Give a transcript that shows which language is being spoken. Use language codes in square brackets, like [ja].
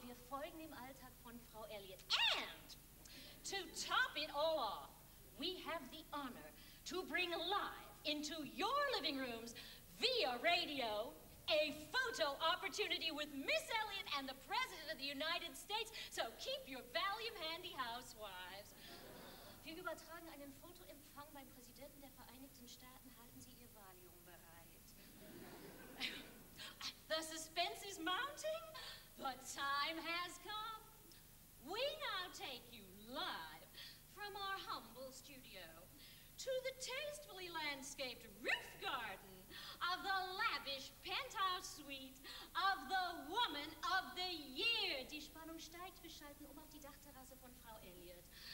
[de] Wir folgen dem Alltag von Frau Elliott. [en] And to top it all off, we have the honor to bring live into your living rooms via radio a photo opportunity with Miss Elliott and the President of the United States. So keep your Valium handy, housewives. [de] Wir übertragen einen Fotoempfang beim Präsidenten der Vereinigten Staaten. Halten Sie Ihr Valium bereit. [en] The suspense is mounting. The time has come. We now take you live from our humble studio to the tastefully landscaped roof garden of the lavish penthouse suite of the Woman of the Year. [de] Die Spannung steigt. Wir schalten um auf die Dachterrasse von Frau Elliott.